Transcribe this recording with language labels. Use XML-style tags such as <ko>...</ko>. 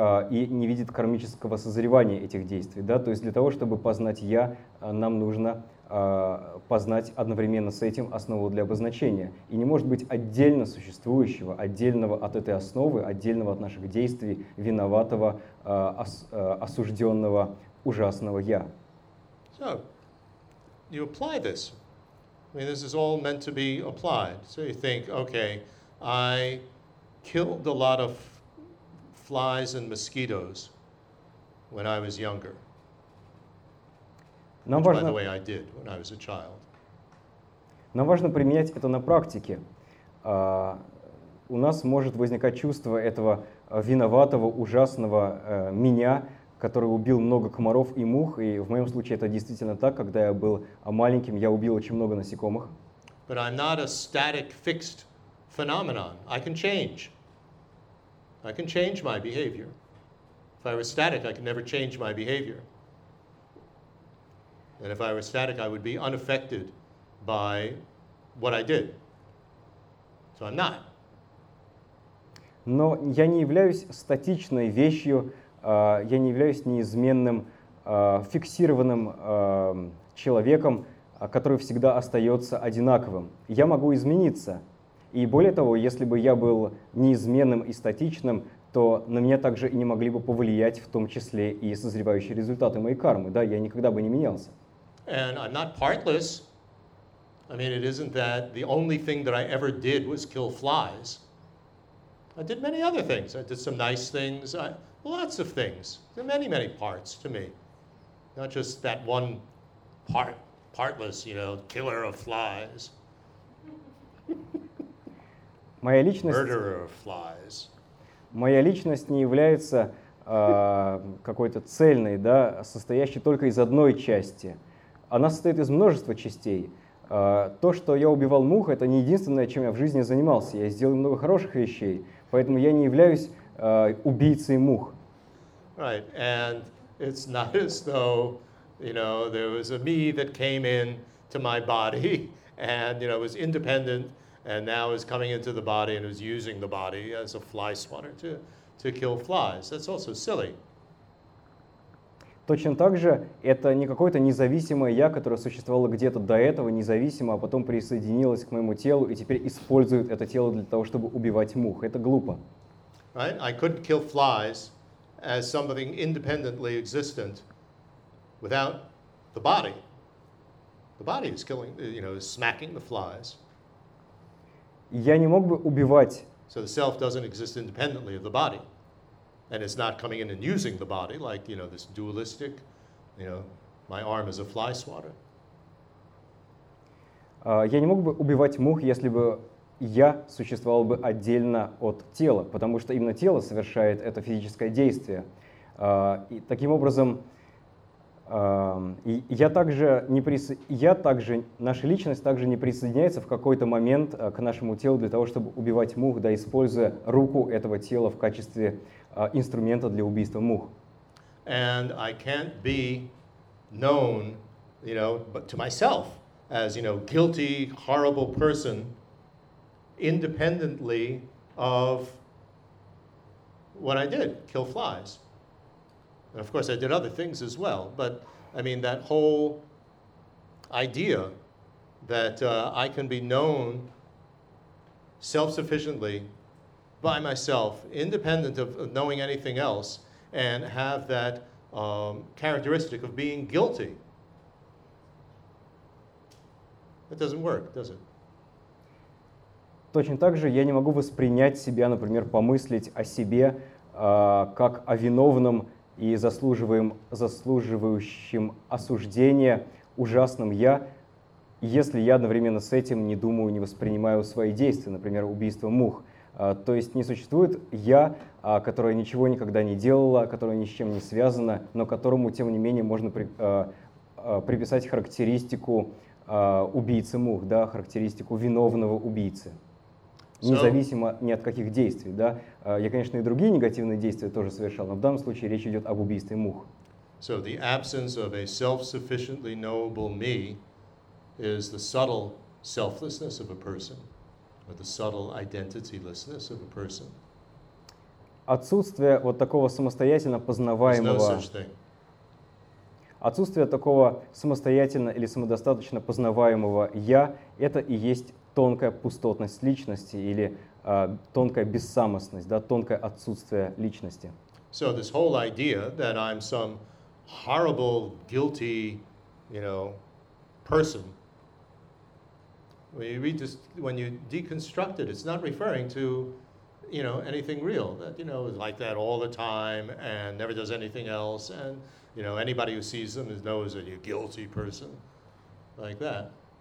<ru>и не видит кармического созревания этих действий. Да? То есть для того, чтобы познать «я», нам нужно познать одновременно с этим основу для обозначения. И не может быть отдельно существующего, отдельного от этой основы, отдельного от наших действий, виноватого, осужденного, ужасного «я».</ru> <en>So, you apply this. I mean, this is all meant to be applied. So you think, okay, I killed a lot of flies and mosquitoes when I was younger.</en> <ru>Нам</ru> <en>Which,</en> <ru>важно,</ru> <en>by the way, I did when I was a child.</en> <ru>Нам важно применять это на практике. У нас может возникать чувство этого виноватого, ужасного меня, который убил много комаров и мух, и в моем случае это действительно так, когда я был маленьким, я убил очень много насекомых.</ru> <en>But I'm not a static, fixed phenomenon. I can change. I can change my behavior. If I were static, I could never change my behavior. And if I were static, I would be unaffected by what I did. So I'm not.</en> <ru>Но я не являюсь статичной вещью, я не являюсь неизменным, фиксированным человеком, который всегда остается одинаковым. Я могу измениться. И более того, если бы я был неизменным и статичным, то на меня также и не могли бы повлиять в том числе и созревающие результаты моей кармы. Да, я никогда бы не менялся.</ru> <en>And I'm not partless. I mean, it isn't that the only thing that I ever did was kill flies. I did many other things. I did some nice things. Lots of things. There are many, many parts to me. Not just that one part, partless, you know, killer of flies.</en> <ru>Моя личность,</ru> <en>Murderer of flies.</en> <ru>Моя личность не является какой-то цельной, да, состоящей только из одной части. Она состоит из множества частей. То, что я убивал мух, это не единственное, чем я в жизни занимался. Я сделал много хороших вещей, поэтому я не являюсь убийцей мух.</ru> <en>Right, and it's not as though, you know, there was a me that came in to my body and, you know, was independent and now is coming into the body and is using the body as a fly swatter to kill flies. That's also silly.</en> <ru>Точно так же это не какое-то независимое я, которое существовало где-то до этого независимо, а потом присоединилось к моему телу и теперь использует это тело для того, чтобы убивать мух. Это глупо.</ru> <en>Right, I couldn't kill flies as something independently existent without the body. The body is killing, you know, is smacking the flies.</en> <ru>Я не мог бы убивать.</ru> <en>So the self doesn't exist independently of the body. And it's not coming in and using the body, like, you know, this dualistic, you know, my arm is a fly swatter.</en> <ru>Я не мог бы убивать мух, если бы я существовал бы отдельно от тела, потому что именно тело совершает это физическое действие. И таким образом, наша личность также не присоединяется в какой-то момент к нашему телу для того, чтобы убивать мух, да, используя руку этого тела в качестве инструмента для убийства мух.</ru> <en>And I can't be known, you know, but to myself as, you know, guilty, horrible person independently of what I did, kill flies. And of course I did other things as well, but I mean that whole idea that I can be known self-sufficiently by myself, independent of knowing anything else, and have that characteristic of being guilty. That doesn't work, does it?</en> <ru>Точно так же я не могу воспринять себя, например, помыслить о себе как о виновном и заслуживающем осуждения ужасном «я», если я одновременно с этим не думаю, не воспринимаю свои действия, например, убийство мух. То есть не существует «я», которое ничего никогда не делало, которое ни с чем не связано, но которому, тем не менее, можно приписать характеристику убийцы мух, да, характеристику виновного убийцы. Независимо ни от каких действий, да. Я, конечно, и другие негативные действия тоже совершал, но в данном случае речь идет об убийстве мух.</ru> <en>So the absence of a self-sufficiently knowable me is the subtle selflessness of a person, or the subtle identitylessness of a person.</en> <ru>отсутствие вот такого самостоятельно познаваемого, отсутствие такого самостоятельно или самодостаточно познаваемого «я» — это и есть тонкая пустотность личности или тонкая бессамостность, да, тонкое отсутствие личности.</ru> <en>So this whole idea that I'm some horrible, guilty, you know, person, when you deconstruct it, it's not referring to, you know, anything real, that, you know, is like that all the time and never does anything else, and, you know, anybody who sees them knows that you're a guilty person, like that.</en>